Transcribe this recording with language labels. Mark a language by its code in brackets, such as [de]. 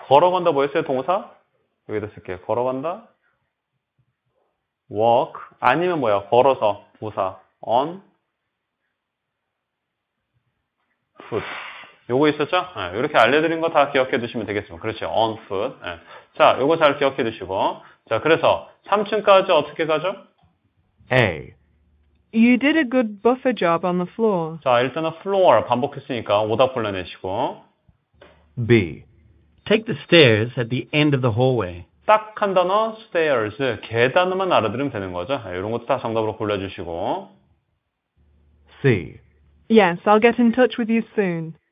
[ko] 걸어간다 뭐였어요? 동사? 여기다 쓸게요. 걸어간다. walk. 아니면 뭐야? 걸어서. 부사. on. foot. 요거 있었죠? 예, 이렇게 알려드린 거 다 기억해 두시면 되겠습니다. 그렇죠. on foot. 예. 자, 요거 잘 기억해 두시고. 자, 그래서 3층까지 어떻게 가죠? [en] A. You did a good buffer job on the floor. [ko] 자, 일단은 floor 반복했으니까 오답 골라내시고. [en] B. Take the stairs at the end of the hallway. [ko] 딱 한 단어, stairs. 계단만 알아들으면 되는 거죠. 이런 것도 다 정답으로 골라주시고. [en] C. Yes, I'll get in touch with you soon.